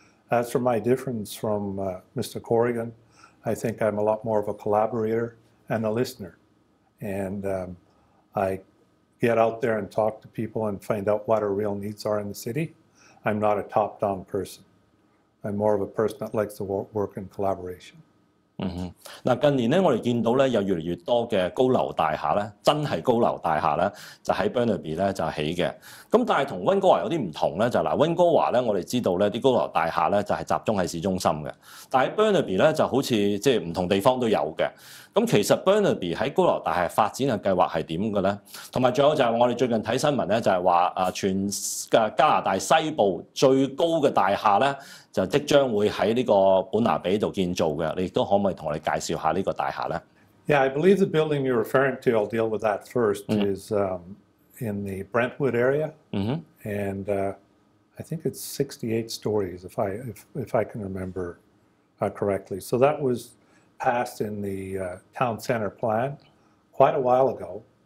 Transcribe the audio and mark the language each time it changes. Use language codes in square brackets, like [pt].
[en] As for my difference from Mr. Corrigan, I think I'm a lot more of a collaborator and a listener. And I get out there and talk to people and find out what our real needs are in the city. I'm not a top-down person. I'm more of a person that likes to work in collaboration. [zh] 近年我們看到有越來越多的高樓大廈，真是高樓大廈，就在 Burnaby 就興建的。但是跟溫哥華有些不同，就是溫哥華我們知道高樓大廈就是集中在市中心的，但在 Burnaby 就好像即不同地方都有的。其實 Burnaby 在高樓大廈發展的計劃是怎樣的呢？還有最後就是我們最近看新聞，就是說全加拿大西部最高的大廈就即將會在這個本拿比建造的，你都可不可以跟我們介紹一下這個大廈呢？ [en] Yeah, I believe the building you're referring to, I'll deal with that first, is in the Brentwood area. And I think it's 68 stories, if I can remember correctly. So that was passed in the town center plan quite a while ago.